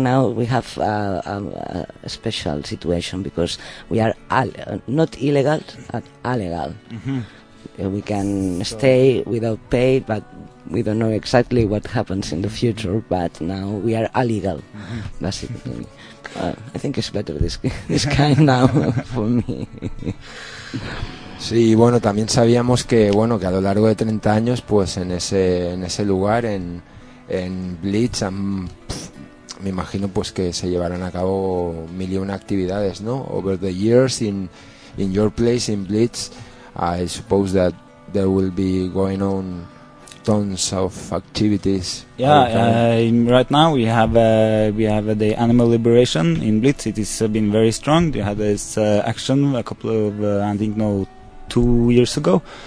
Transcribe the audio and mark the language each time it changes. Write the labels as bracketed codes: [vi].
[en] We have a special situation, because we are not illegal, but illegal. Mm-hmm. We can stay without pay, but we don't know exactly what happens in the future. But now we are illegal, mm-hmm. basically. I think it's better this kind now for me. [es] Sí, bueno, también sabíamos que a lo largo de 30 años, pues en ese lugar, en Blitz, me imagino pues que se llevarán a cabo mil y una actividades, ¿no? [en] Over the years, in your place, in Blitz, I suppose that there will be going on tons of activities. Yeah, right now we have the animal liberation in Blitz. It has been very strong. We had this action a couple of, 2 years ago.